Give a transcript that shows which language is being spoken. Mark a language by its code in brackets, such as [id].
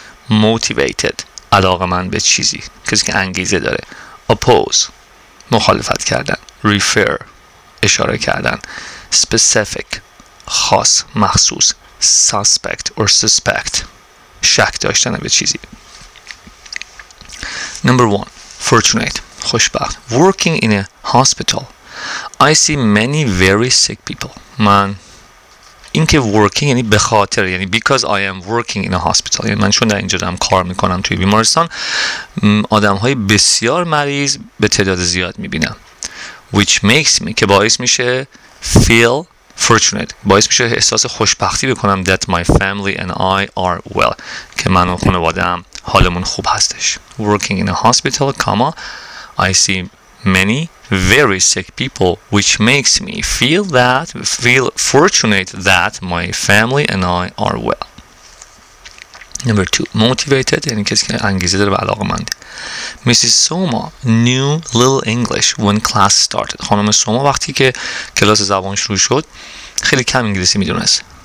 [fa] Motivated, علاقمند به چیزی، کسی که انگیزه داره. Oppose, مخالفت کردن. Refer, اشاره کردن. Specific, خاص، مخصوص. [en] Suspect or suspect, [fa] شک داشتن به چیزی. [en] Number 1, fortunate, خوشبخت. Working in a hospital, I see many very sick people. [fa] من این که working یعنی به خاطر، یعنی [en] because I am working in a hospital، [fa] یعنی من چون در اینجا دارم کار میکنم توی بیمارستان، آدم های بسیار مریض به تعداد زیاد میبینم. [en] Which makes me، [fa] که باعث میشه [en] feel fortunate، [fa] باعث میشه احساس خوشبختی بکنم، [en] that my family and I are well، [fa] که من و خانواده هم حالمون خوب هستش. [en] Working in a hospital, comma, I see many very sick people, which makes me feel fortunate that my family and I are well. Number 2, motivated, [fa] یعنی کسی که انگیزه داره و علاقه مند. [en] Mrs. Soma knew little English when class started. [fa] خانم سوما وقتی که کلاس زبان شروع شد خیلی کم انگلیسی میدونست.